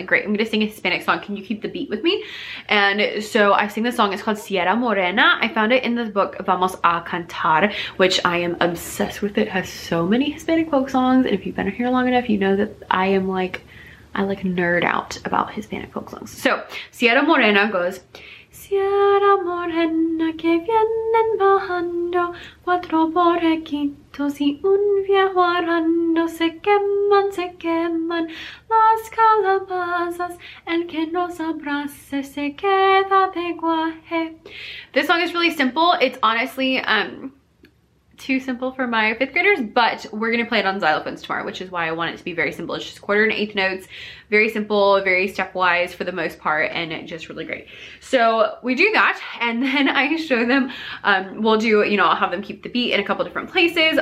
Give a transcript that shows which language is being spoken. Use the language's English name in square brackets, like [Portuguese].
[English] Like, great, I'm going to sing a Hispanic song. Can you keep the beat with me? And so I sing the song. It's called Sierra Morena. I found it in the book Vamos a Cantar, which I am obsessed with. It has so many Hispanic folk songs. And if you've been here long enough, you know that I am like, I like nerd out about Hispanic folk songs. So [Spanish] Sierra Morena goes, Sierra Morena que vienen bajando, cuatro borrequitos y un viejo arando, se queman las calabazas, el que nos abrace se queda de guaje. [English] This song is really simple. It's honestly, too simple for my fifth graders, but we're gonna play it on xylophones tomorrow, which is why I want it to be very simple. It's just quarter and eighth notes, very simple, very stepwise for the most part, and just really great. So we do that, and then I show them, we'll do, you know, I'll have them keep the beat in a couple different places.